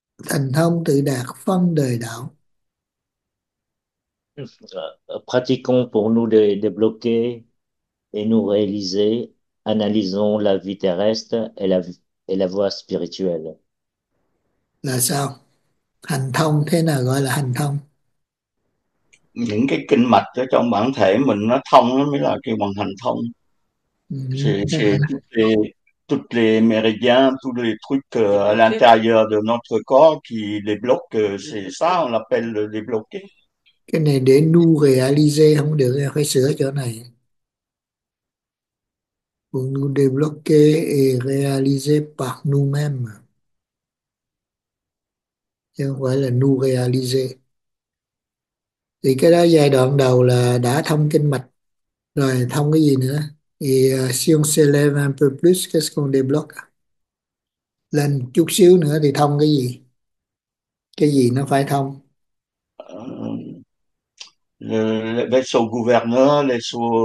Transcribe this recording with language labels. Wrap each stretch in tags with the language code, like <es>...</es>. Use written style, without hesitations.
<vi>Hành thông tự đạt phân đời đạo.</vi> <fr>Pratiquons pour nous débloquer et nous réaliser, analysons la vie terrestre et la voie spirituelle.</fr> <vi>Là sao? Hành thông, thế nào gọi là hành thông? Những cái kinh mạch ở trong bản thể mình nó thông nó mới là kêu bằng hành thông.</vi> <fr>C'est toutes les méridiens, tous les trucs à Débloquer. l'intérieur de notre corps qui débloquent, c'est ça, on l'appelle le débloquer.</fr> <vi>Cái này để</vi> <fr>nous réaliser</fr> <vi>không được, phải sửa chỗ này.</vi> <fr>Pour nous débloquer et réaliser par nous-mêmes.</fr> <vi>Chứ không phải là</vi> <fr>nous réaliser.</fr> <vi>Thì cái đó giai đoạn đầu là đã thông kinh mạch. Rồi thông cái gì nữa?</vi> <fr>Thì si on s'élève un peu plus, qu'est-ce qu'on débloque?</fr> <vi>Lên chút xíu nữa thì thông cái gì? Cái gì nó phải thông?</vi> <fr>Le vaisseau gouverneur, les</fr>